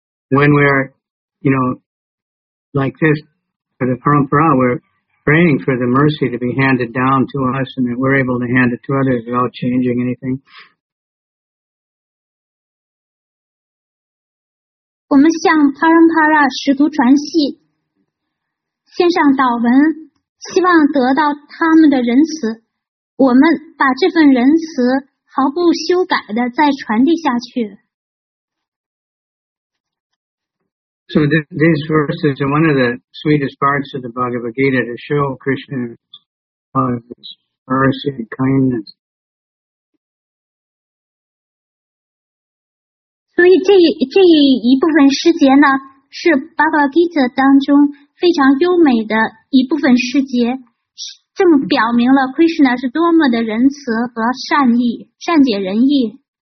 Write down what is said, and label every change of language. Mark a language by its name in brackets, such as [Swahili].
[English] When we're, you know, like this, for the parampara, we're praying for the mercy to be handed down to us and that we're able to hand it to others without changing anything. [Chinese] 我们向 parampara 使徒传系献上祷文，希望得到他们的仁慈，我们把这份仁慈毫不修改的再传递下去。 [English] So these verses are one of the sweetest parts of the Bhagavad Gita to show Krishna's love, mercy, and kindness. [Chinese] 所以这一部分诗节呢，是 Bhagavad Gita 当中非常优美的一部分诗节，正表明了 Krishna 是多么的仁慈和善意，善解人意。